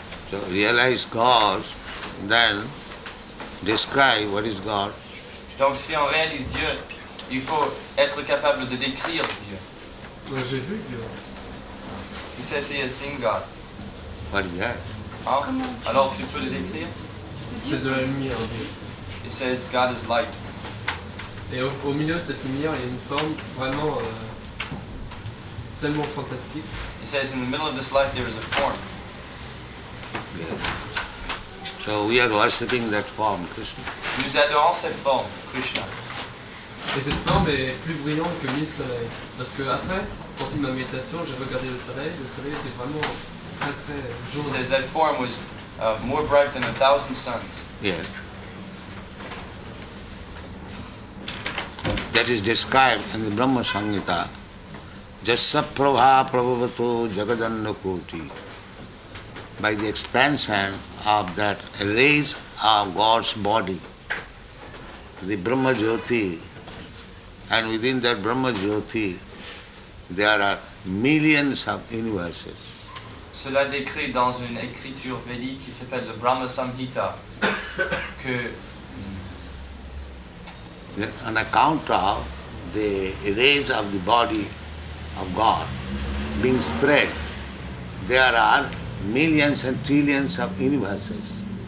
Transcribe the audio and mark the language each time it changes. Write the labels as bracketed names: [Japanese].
[English] So realize God, then describe what is God. [French] Donc si on réalise Dieu, il faut être capable de décrire Dieu. Moi j'ai vu Dieu. [English] He says he has seen God. What is that? [French] Alors tu peux le décrire? C'est de la lumière. [English] He says God is light. [French] Et au milieu de cette lumière, il y a une forme vraiment tellement fantastique. [English] He says, in the middle of this life, there is a form. Yeah. So we are worshipping that form, Krishna. [French] Nous adorons cette forme, Krishna. Et cette forme est plus brillante que mille soleils. Parce que après, sorti de ma méditation, j'ai regardé le soleil était vraiment très, très jaune. [English] He says, that form was more bright than 1,000 suns. Yeah. that is described in the Brahma Sanghita, [Sanskrit] Jasya Prabha Prabhavato Jagadanna Koti, [English] by the expansion of that rays of God's body, the Brahma Jyoti, and within that Brahma Jyoti, there are millions of universes. [French] Cela décrit dans une écriture védique qui s'appelle le Brahma Samhita que [English] on account of the rays of the body of God being spread, there are millions and trillions of universes.